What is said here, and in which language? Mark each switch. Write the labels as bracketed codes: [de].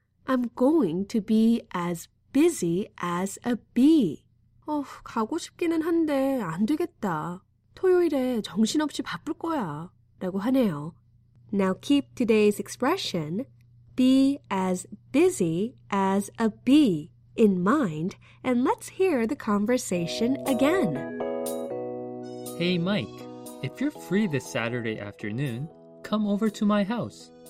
[en] I'm going to be as busy as a bee. [ko] 가고 싶기는 한데 안 되겠다. 토요일에 정신없이 바쁠 거야. 라고 하네요. [en] Now keep today's expression, be as busy as a bee, in mind, and let's hear the conversation again. Hey Mike, if you're free this Saturday afternoon, come over to my house.